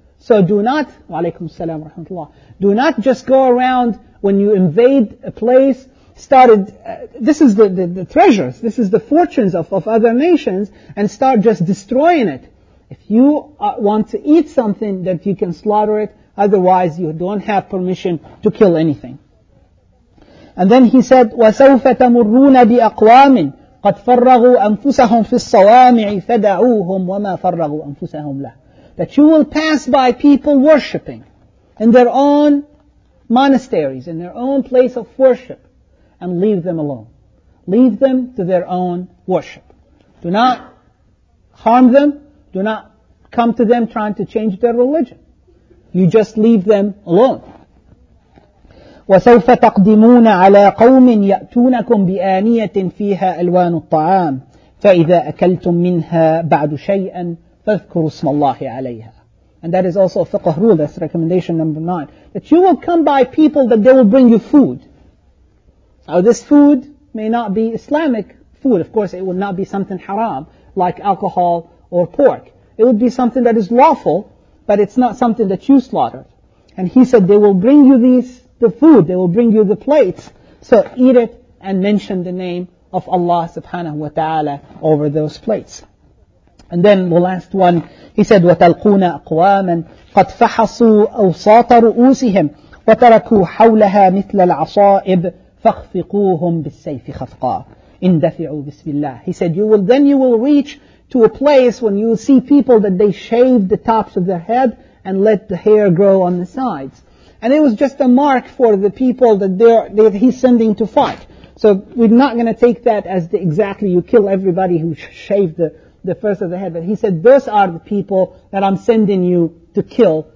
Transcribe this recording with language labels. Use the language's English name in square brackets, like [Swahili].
[English] So do not, [Arabic] wa alaykum salam wa rahmatullah, [English] do not just go around when you invade a place, this is the treasures, this is the fortunes of other nations, and start just destroying it. If you want to eat something, that you can slaughter it, otherwise you don't have permission to kill anything. [Arabic] And then he said, وَسَوْفَ تَمُرُّونَ بِأَقْوَامٍ قَدْ فَرَّغُوا أَنفُسَهُمْ فِي الصَّوَامِعِ فَدَعُوهُمْ وَمَا فَرَّغُوا أَنفُسَهُمْ لَهُ. [English] That you will pass by people worshipping in their own monasteries, in their own place of worship, and leave them alone. Leave them to their own worship. Do not harm them. Do not come to them trying to change their religion. You just leave them alone. [Arabic] وَسَوْفَ تَقْدِمُونَ عَلَىٰ قَوْمٍ يَأْتُونَكُمْ بِآنِيَةٍ فِيهَا أَلْوَانُ الطَّعَامِ فَإِذَا أَكَلْتُم مِّنْهَا بَعْدُ شَيْئًا فَذْكُرُوا اسْمَ اللَّهِ عَلَيْهَا. [English] And that is also a fiqh rule, that's recommendation number 9. That you will come by people that they will bring you food. Now this food may not be Islamic food. Of course, it will not be something haram, like alcohol or pork. It will be something that is lawful, but it's not something that you slaughtered. And he said, they will bring you the food, they will bring you the plates. So eat it and mention the name of Allah subhanahu wa ta'ala over those plates. [Arabic] And then the last one, he said, وَتَلْقُونَ أَقْوَامًا قَدْ فَحَصُوا أَوْسَاطَ رُؤُوسِهِمْ وَتَرَكُوا حَوْلَهَا مِثْلَ الْعَصَائِبِ فَخْفِقُوهُمْ بِالسَّيْفِ خَفْقًا إِنْ دَفِعُوا بِسْمِ اللَّهِ. [English] He said, you will reach to a place when you see people that they shave the tops of their head and let the hair grow on the sides. And it was just a mark for the people that he's sending to fight. So we're not going to take that as the exactly you kill everybody who shaved the first of the head. But he said, those are the people that I'm sending you to kill.